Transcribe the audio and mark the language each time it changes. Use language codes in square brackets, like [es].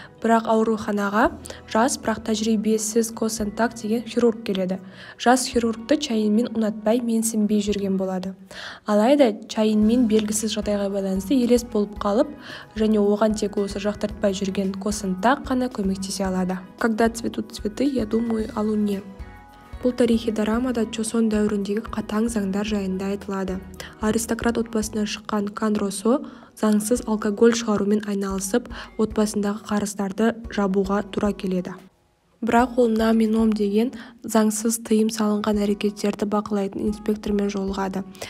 [kk] Бірақ ауруханаға жас, бірақ тәжірибесіз Ко Сан Так деген хирург келеді. Жас хирургты Ча Ин Мин ұнатпай, менсінбей жүрген болады. Алайда Ча Ин Мин белгісіз жағдайға байланысты елес болып қалып, және оған тек осы жақтыртпай жүрген Ко Сан Так қана көмектесе алады. [ru] Когда цветут цветы, я думаю о луне. [kk] Бұл тарихи дорамада Чосон дәуіріндегі қатаң заңдар жайында айтылады. Аристократ отбасынан шыққан Кан Росо заңсыз алкоголь шығарумен айналысып, отбасындағы қарыздарды жабуға тура келеді. Бірақ ол Намином деген заңсыз тыйым салынған әрекеттерді бақылайтын инспектормен жолығады.